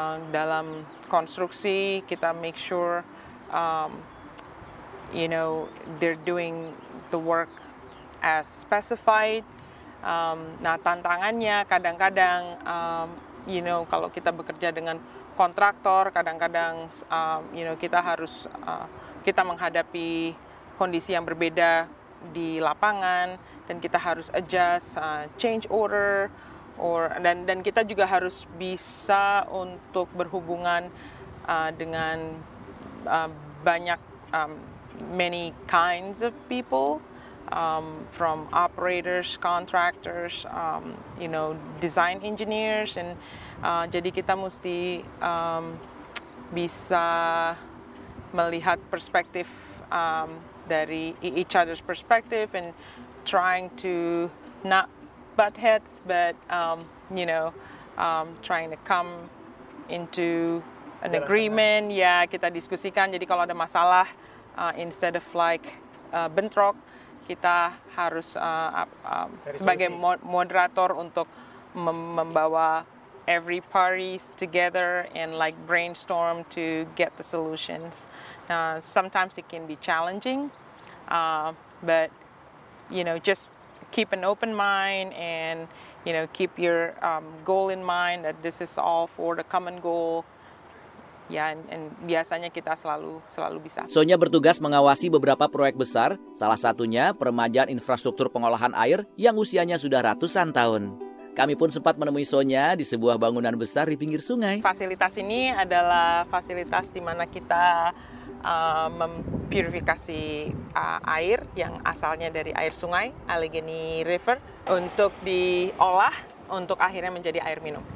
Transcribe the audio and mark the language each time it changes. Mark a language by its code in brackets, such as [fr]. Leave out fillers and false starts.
[id] Dalam konstruksi, kita [en] make sure you know, they're doing the work as specified. [id] Nah, tantangannya kadang-kadang you know, kalau kita bekerja dengan kontraktor, kadang-kadang you know, kita harus kita menghadapi kondisi yang berbeda di lapangan dan kita harus adjust change order dan kita juga harus bisa untuk berhubungan dengan banyak [en] many kinds of people. From operators, contractors, you know, design engineers, and [id] jadi kita mesti bisa melihat perspektif dari [en] each other's perspective and trying to not butt heads, but you know, trying to come into an agreement. [id] Ya, kita diskusikan. Jadi kalau ada masalah, [en] instead of like [id] bentrok, kita harus sebagai moderator untuk membawa [en] every parties together and like brainstorm to get the solutions. Sometimes it can be challenging, but you know, just keep an open mind and you know, keep your goal in mind that this is all for the common goal. [id] Ya, dan biasanya kita selalu bisa. Sonia bertugas mengawasi beberapa proyek besar, salah satunya peremajaan infrastruktur pengolahan air yang usianya sudah ratusan tahun. Kami pun sempat menemui Sonia di sebuah bangunan besar di pinggir sungai. Fasilitas ini adalah fasilitas di mana kita mempurifikasi air yang asalnya dari air sungai, Allegheny River, untuk diolah untuk akhirnya menjadi air minum.